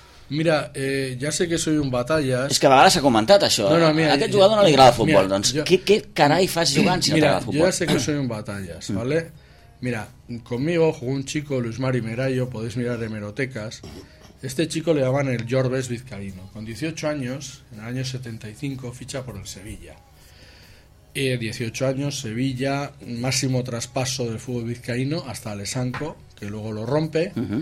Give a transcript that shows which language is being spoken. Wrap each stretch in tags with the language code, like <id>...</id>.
<ca>Mira, ja sé que</ca> <es>soy un batallas.</es> <ca>És que a vegades s'ha comentat això. No, mira, a aquest jugador no li agrada el futbol. Mira, doncs què carai fas jugant si no t'agrada el futbol?</ca> <es>Mira,</es> <ca>jo ja sé que</ca> <es>soy un batallas, ¿vale? Mira, conmigo jugó un chico, Luis Mari Merayo, podéis mirar hemerotecas. Este chico le llamaban el Jorbes Vizcaíno. Con 18 años, en el año 75, ficha por el Sevilla. 18 años, Sevilla, máximo traspaso del fútbol vizcaíno hasta Alessanco, que luego lo rompe.</es>